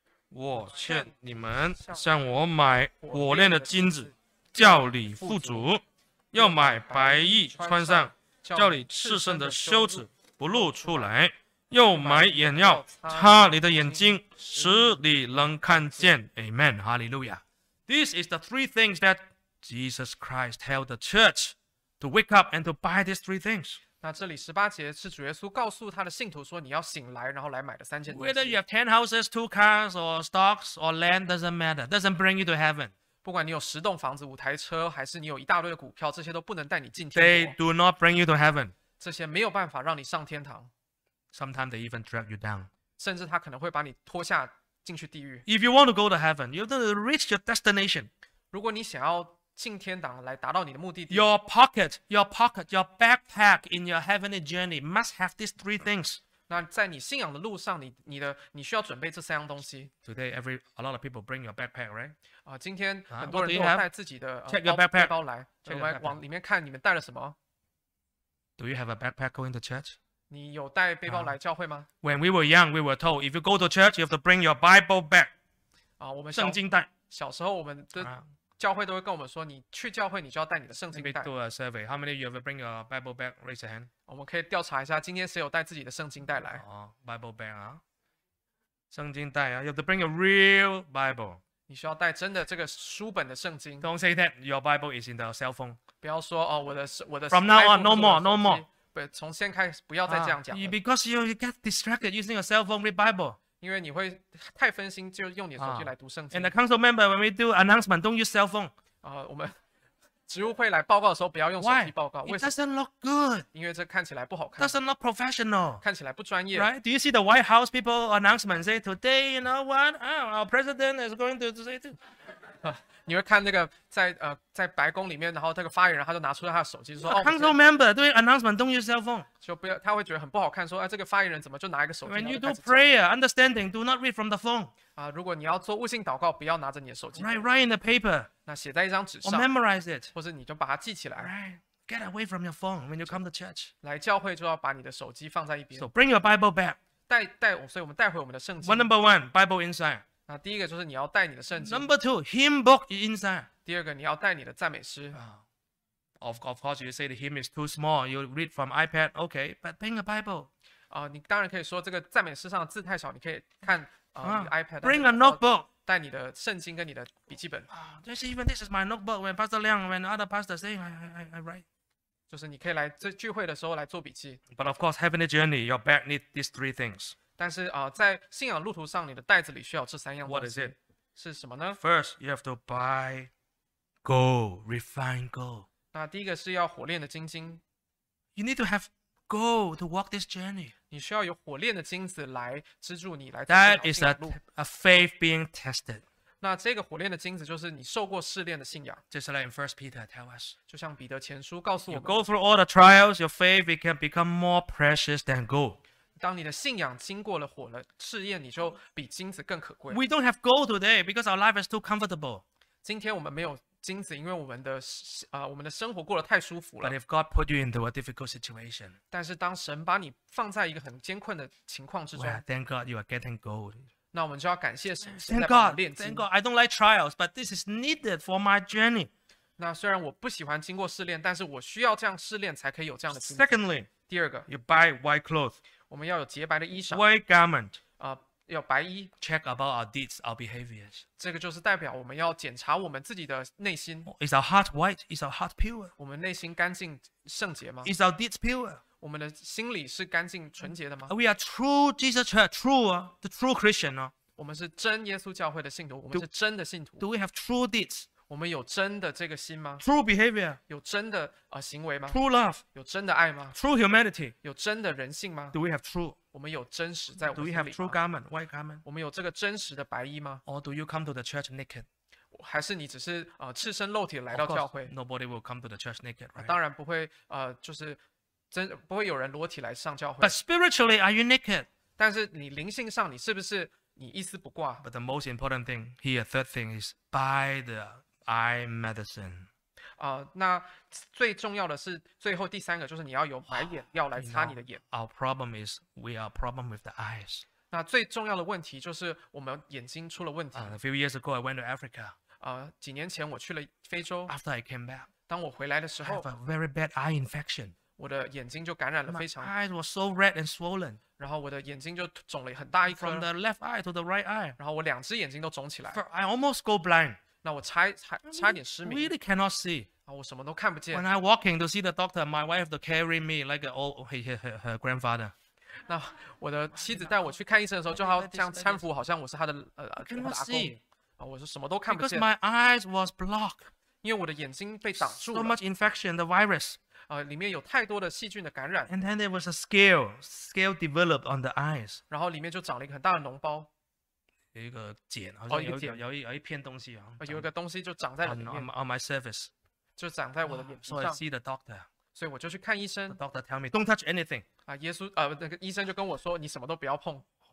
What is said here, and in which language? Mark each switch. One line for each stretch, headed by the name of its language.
Chinese: 我劝你们向我买火炼的金子，叫你富足；要买白衣穿上，叫你赤身的羞耻不露出来。又买眼药擦你的眼睛，使你能看见。
English: Amen, Hallelujah. This is the three things that Jesus Christ tell the church to wake up and to buy these three things.
Chinese: 那这里十八节是主耶稣告诉他的信徒说，你要醒来，然后来买的三件东西。
English: Whether you have 10 houses, 2 cars, or stocks, or land, doesn't matter. Doesn't bring you to heaven.
Chinese: 不管你有10栋房子、5台车，还是你有一大堆的股票，这些都不能带你进天国。
English: They do not bring you to heaven.
Chinese: 这些没有办法让你上天堂。
English: Sometimes they even drag you down.
Chinese: 甚至他可能会把你拖下进去地狱。
English: If you want to go to heaven, you have to reach your destination.
Chinese: 如果你想要进天堂来达到你的目的地。
English: Your pocket, your backpack in your heavenly journey must have these three things.
Chinese: 那在你信仰的路上，你需要准备这三样东西。
English: Today, a lot of people bring your backpack, right?
Chinese: 今天很多人都带自己的背包来。我们往里面看，你们带了什么
English: ？Do you have a backpack going to church?
Chinese: 你有带背包来教会吗
English: ？When we were young, we were told if you go to church, you have to bring your Bible back.
Chinese: 我们圣经袋。小时候，我们的教会都会跟我们说，你去教会，你就要带你的圣经袋。
English: Let me do a survey. How many of you ever bring your Bible back? Raise your hand.
Chinese: 我们可以调查一下，今天谁有带自己的圣经袋来
English: ？Bible bag 啊，
Chinese: 圣经袋啊
English: ，you have to bring a real Bible.
Chinese: 你需要带真的这个书本的圣经。
English: Don't say that your Bible is in the cell phone.
Chinese: 不要说我的。
English: From now on, no more.
Chinese: 不，从先开始不要再这样讲了。
English: Because you get distracted using your cell phone read Bible.
Chinese: 因为你会太分心，就用你的手机来读圣经。
English: And the council member, when we do announcement, don't use cell phone.
Chinese: 我们职务会来报告的时候，不要用手机报告。
English: Why? It doesn't look good.
Chinese: 因为这看起来不好看。
English: Doesn't look professional.
Chinese: 看起来不专业。
English: Right? Do you see the White House people announcement say today? You know what? Our president is going to say to.
Chinese: 你会看那个在白宫里面，然后那个发言人他就拿出了他的手机，说
English: ：“Council member, doing announcement, don't use cell phone。”
Chinese: 就不要，他会觉得很不好看，说：“这个发言人怎么就拿一个手机
English: ？”When you do prayer, understanding, do not read from the phone。
Chinese: 如果你要做悟性祷告，不要拿着你的手机。
English: Write in the paper。
Chinese: 那写在一张纸上。
English: Or memorize it。
Chinese: 或者你就把它记起来。
English: Right, get away from your phone when you come to church。
Chinese: 来教会就要把你的手机放在一边。
English: So bring your Bible back。
Chinese: 所以我们带回我们的圣经。
English: One number one, Bible inside。
Chinese: 那第一个就是你要带你的圣经。
English: Number two, hymn book inside.
Chinese: 第二个你要带你的赞美诗。
English: Of course, you say the hymn is too small. You read from iPad, okay? But bring a Bible.
Chinese: 你当然可以说这个赞美诗上的字太小，你可以看iPad.
English: Bring a notebook.
Chinese: 带你的圣经跟你的笔记本。
English: This is my notebook. When Pastor Liang, when other pastor say, I write.
Chinese: 就是你可以来这聚会的时候来做笔记。
English: But of course, heavenly journey, your bag need these three things.
Chinese: 但是在信仰路途上，你的袋子里需要这三样东西。
English: What is it?
Chinese: 是什么呢
English: ？First, you have to buy gold, refined gold.
Chinese: 那第一个是要火炼的金晶。
English: You need to have gold to walk this journey.
Chinese: 你需要有火炼的金子来支柱你来。
English: That is a faith being tested.
Chinese: 那这个火炼的金子就是你受过试炼的信仰。
English: Just like in First Peter tell us.
Chinese: 就像彼得前书告诉我们。
English: You go through all the trials, your faith can become more precious than gold.
Chinese: 当你的信仰经过了火的试验，你就比金子更可贵。
English: We don't have gold today because our life is too comfortable.
Chinese: 今天我们没有金子，因为我们的生活过得太舒服了。
English: But if God put you into a difficult situation,
Chinese: 但是当神把你放在一个很艰困的情况之中
English: well, ，Thank God you are getting gold.
Chinese: 那我们就要感谢神。
English: Thank God, thank God. I don't like trials, but this is needed for my journey.
Chinese: 那虽然我不喜欢经过试炼，但是我需要这样试炼才可以有这样的金子。
English: Secondly,
Chinese: 第二个
English: ，you buy white clothes.
Chinese: 我们要有洁白的衣裳
English: ，white garment，
Chinese: 要白衣。
English: Check about our deeds, our behaviors。
Chinese: 这个就是代表我们要检查我们自己的内心。
English: Is our heart white? Is our heart pure?
Chinese: 我们内心干净圣洁吗
English: ？Is our deeds pure?
Chinese: 我们的心里是干净纯洁的吗
English: ？We are true Jesus Church, true, the true Christian.
Chinese: 我们是真耶稣教会的信徒，我们是真的信徒。
English: Do we have true deeds?
Chinese: 我们有真的这个心吗
English: ？True behavior.
Chinese: 有真的行为吗
English: ？True love.
Chinese: 有真的爱吗
English: ？True humanity.
Chinese: 有真的人性吗
English: ？Do we have true?
Chinese: 我们有真实在我们心里吗
English: ？Do we have true garment, white garment?
Chinese: 我们有这个真实的白衣吗
English: ？Or do you come to the church naked?
Chinese: 还是你只是赤身露体来到教会
English: ？Of course, nobody will come to the church naked, right?
Chinese: 当然不会就是真不会有人裸体来上教会。
English: But spiritually, are you naked?
Chinese: 但是你灵性上你是不是你一丝不挂
English: ？But the most important thing here, third thing is buy the eye medicine.
Chinese: 那最重要的是最后第三个，就是你要有买眼药来擦你的眼。
English: You know, our problem is we are problem with the eyes.
Chinese: 那最重要的问题就是我们眼睛出了问题。
English: A few years ago, I went to Africa.
Chinese: 几年前我去了非洲。
English: After I came back,
Chinese: 当我回来的时候
English: ，I have a very bad eye infection.
Chinese: 我的眼睛就感染了非常。
English: My eyes were so red and swollen.
Chinese: 然后我的眼睛就肿了很大一颗。
English: From the left eye to the right eye.
Chinese: 然后我两只眼睛都肿起来。
English: I almost go blind.
Chinese: 那我差点失明
English: ，really cannot see
Chinese: 啊，我什么都看不见。
English: When I walking to see the doctor, my wife to carry me like an old her grandfather.
Chinese: 那我的妻子带我去看医生的时候，就好像搀扶，好像我是他的
English: I cannot see
Chinese: 啊，我是什么都看不见。
English: Because my eyes was blocked.
Chinese: 因为我的眼睛被挡住了。
English: So much infection, the virus.
Chinese: 里面有太多的细菌的感染。
English: And then there was a scale developed on the eyes.
Chinese: 然后里面就长了一个很大的脓包。有一个茧，好像有一片东西啊，有一个东西就长在里面。
English: On my surface，
Chinese: 就长在我的脸上。
English: So I see the doctor，
Chinese: 所以我就去看医生。
English: The doctor tell me don't touch anything。
Chinese: 耶稣那个医生就跟我说你什么都不要碰。